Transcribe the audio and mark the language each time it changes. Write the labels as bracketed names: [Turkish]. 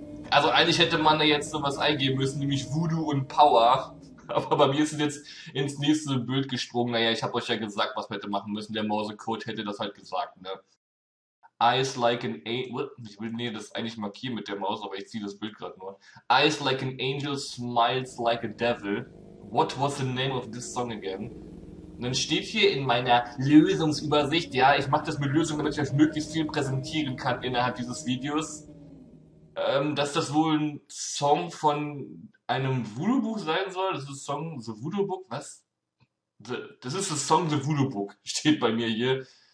[German] Also eigentlich hätte man da jetzt sowas eingeben müssen, nämlich Voodoo und Power. Aber bei mir ist es jetzt ins nächste Bild gesprungen. Naja, ich habe euch ja gesagt, was wir hätte machen müssen. Der Morsecode hätte das halt gesagt, ne? [English] Eyes like an Angel. [German] Ich will nee, das eigentlich markieren mit der Maus, aber ich ziehe das Bild gerade nur. [English] Eyes like an Angel, smiles like a devil. What was the name of this song again? [German] Und dann steht hier in meiner Lösungsübersicht, ja, ich mache das mit Lösungen, damit ich euch möglichst viel präsentieren kann innerhalb dieses Videos, dass das wohl ein Song von einem Voodoo-Buch sein soll. Das ist Song The Voodoo Book. Was? Das ist das Song The Voodoo Book, steht bei mir hier.